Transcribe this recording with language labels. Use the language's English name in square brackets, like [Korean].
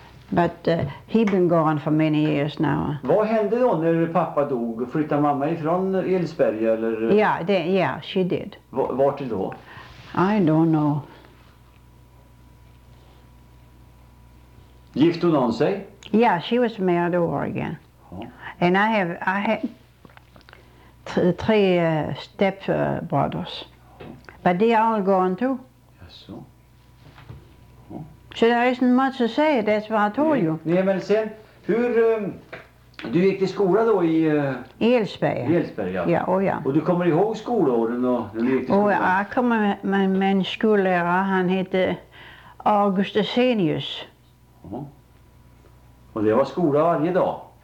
[English] But he been gone for many years now. [Swedish] Vad hände då när pappa dog? Flyttade mamma ifrån Ilsberga eller? [English] Ja, yeah, she did. [Swedish] Vart då? [English] I don't know. [Swedish] Gifte hon om sig? [English] Yeah, she was married over again. [Swedish] Ja. [English] And I have 3 stepbrothers. But they are all gone too. [Swedish] Jaså. [English] So there isn't much to say, that's what I told you. [Swedish] Nej, men sen, hur, du gick till skola då i? Ilsberga. Ilsberga. Ja, ja. Och du kommer ihåg skolåren då? Och jag kommer med min skollärare, han hette August Senius. Ja. Och det var skola varje dag?